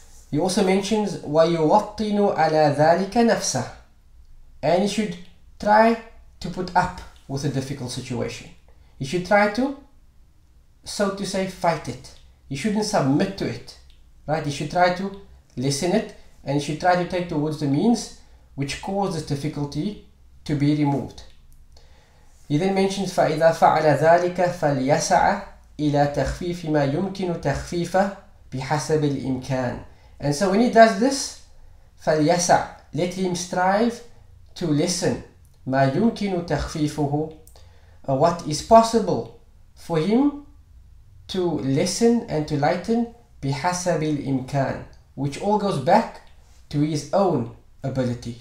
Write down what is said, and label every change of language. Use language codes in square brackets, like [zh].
[en] He also mentions, [ar] وَيُوَطِّنُ عَلَى ذَلِكَ نَفْسَهُ, [en] and he should try to put up with a difficult situation. He should try to, so to say, fight it. He shouldn't submit to it, right? He should try to lessen it, and he should try to take towards the means which cause this difficulty to be removed. He then mentions, [ar] فَإِذَا فَعَلَ ذَلِكَ فَلْيَسَعَ إِلَى تَخْفِيفِ مَا يُمْكِنُ تَخْفِيفَهُ بِحَسَبِ الْإِمْكَانِ. [en] And so when he does this, [ar] فَلْيَسَعَ, [en] let him strive to lessen [ar] مَا يُمْكِنُ تَخْفِيفُهُ, [en] what is possible for him to lessen and to lighten, [ar] بِحَسَبِ الْإِمْكَانِ, [en] which all goes back to his own ability.